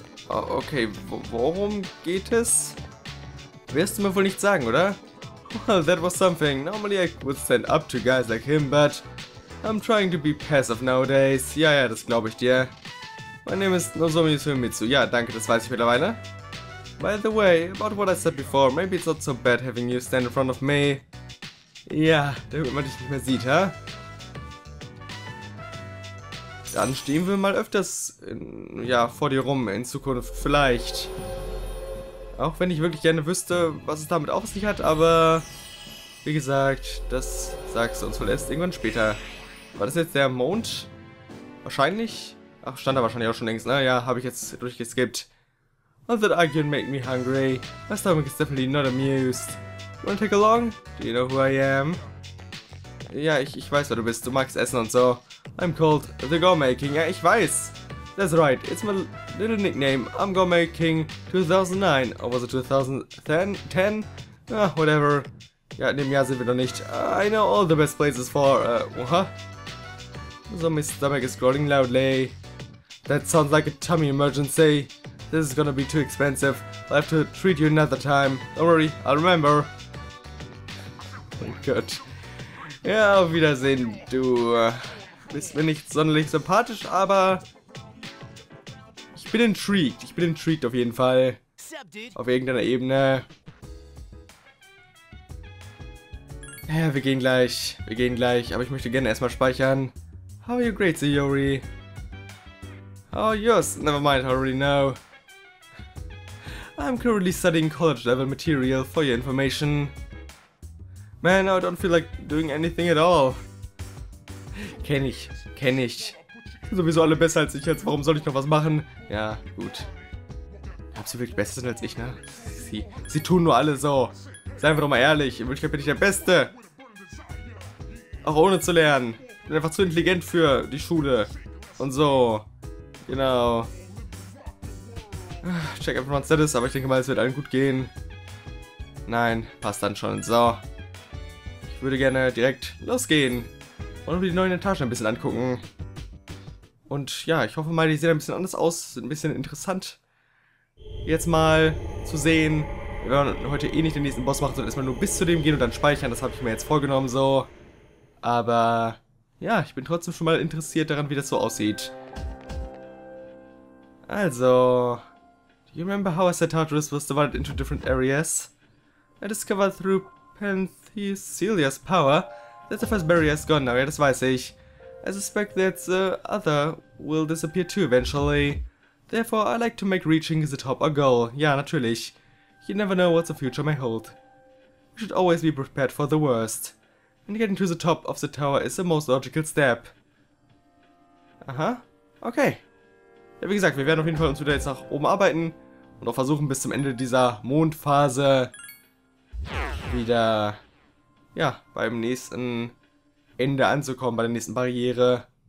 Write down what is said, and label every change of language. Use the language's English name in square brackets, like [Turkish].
[German] Oh, okay, worum geht es? Wirst du mir wohl nicht sagen, oder? [English] Well, that was something. Normally I would stand up to guys like him, but I'm trying to be passive nowadays. [German] Ja, das glaube ich dir. [English] My name is Nozomi Suemitsu. [German] Ja, danke, das weiß ich mittlerweile. [English] By the way, about what I said before, maybe it's not so bad having you stand in front of me. [German] Yeah, damit man dich nicht mehr sieht, ha? Huh? Dann stehen wir mal öfters vor dir rum in Zukunft, vielleicht. Auch wenn ich wirklich gerne wüsste, was es damit auf sich hat, aber wie gesagt, das sagst du uns wohl erst irgendwann später. War das jetzt der Mond? Wahrscheinlich? Ach, stand da wahrscheinlich auch schon längst, ne? Ja, habe ich jetzt durchgeskippt. [English] All that arguing made me hungry. My stomach is definitely not amused. You wanna take along? Do you know who I am? [German] Ja, ich weiß, wer du bist. Du magst Essen und so. [English] I'm called the Gourmet King. [German] Ja, ich weiß. [English] That's right. It's my little nickname. I'm Gourmet King 2009. Or was it 2010? Ah, whatever. [German] Ja, in dem Jahr sind wir noch nicht. [English] I know all the best places for, So, my stomach is growling loudly. That sounds like a tummy emergency. This is gonna be too expensive. I'll have to treat you another time. Don't worry, I'll remember. [German] Oh mein Gott. Ja, auf Wiedersehen. Du bist mir nicht sonderlich sympathisch, aber ich bin intrigued. Ich bin intrigued auf jeden Fall. Auf irgendeiner Ebene. Ja, wir gehen gleich. Wir gehen gleich. Aber ich möchte gerne erstmal speichern. [English] How are you, great Sayori? How are yours? Never mind, I already know. I'm currently studying college-level material for your information. Man, I don't feel like doing anything at all. [German] Kenn ich. Sowieso alle besser als ich jetzt, warum soll ich noch was machen? Ja, gut. Ob sie wirklich besser sind als ich, ne? Sie tun nur alle so. Seien wir doch mal ehrlich, in Wirklichkeit bin ich der Beste. Auch ohne zu lernen. Bin einfach zu intelligent für die Schule. Und so. Genau. Check einfach mal ein Status, aber ich denke mal, es wird allen gut gehen. Nein, passt dann schon. So. Ich würde gerne direkt losgehen. Und mir die neuen Etagen ein bisschen angucken. Und ja, ich hoffe mal, die sehen ein bisschen anders aus. Sind ein bisschen interessant. Jetzt mal zu sehen. Wir werden heute eh nicht den nächsten Boss machen, sondern erstmal nur bis zu dem gehen und dann speichern. Das habe ich mir jetzt vorgenommen, so. Aber ja, ich bin trotzdem schon mal interessiert daran, wie das so aussieht. [English] Also, you remember how I said Tartarus was divided into different areas? I discovered through Penthesilea's power that the first barrier is gone now. [German] Ja, das weiß ich. [English] I suspect that the other will disappear too eventually. Therefore, I like to make reaching the top a goal. [German] Ja, natürlich. [English] You never know what the future may hold. You should always be prepared for the worst. And getting to the top of the tower is the most logical step. Aha. Okay. [German] Ja, wie gesagt, wir werden auf jeden Fall uns wieder jetzt nach oben arbeiten und auch versuchen, bis zum Ende dieser Mondphase wieder, ja, beim nächsten Ende anzukommen, bei der nächsten Barriere.